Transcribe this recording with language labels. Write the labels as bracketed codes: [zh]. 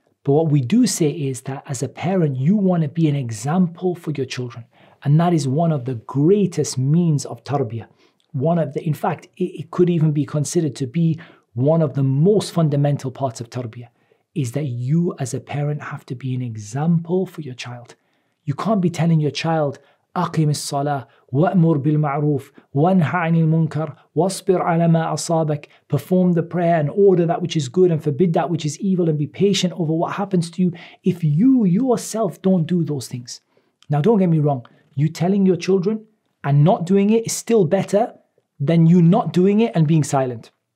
[en] But what we do say is that as a parent, you want to be an example for your children. And that is one of the greatest means of tarbiyah. In fact, it could even be considered to be one of the most fundamental parts of tarbiyah, is that you as a parent have to be an example for your child. You can't be telling your child, [ar] أقم الصلاة وأمر بالمعروف وانهى عن المنكر واصبر على ما أصابك. [en] Perform the prayer and order that which is good and forbid that which is evil and be patient over what happens to you if you yourself don't do those things. Now don't get me wrong, you telling your children and not doing it is still better than you not doing it and being silent.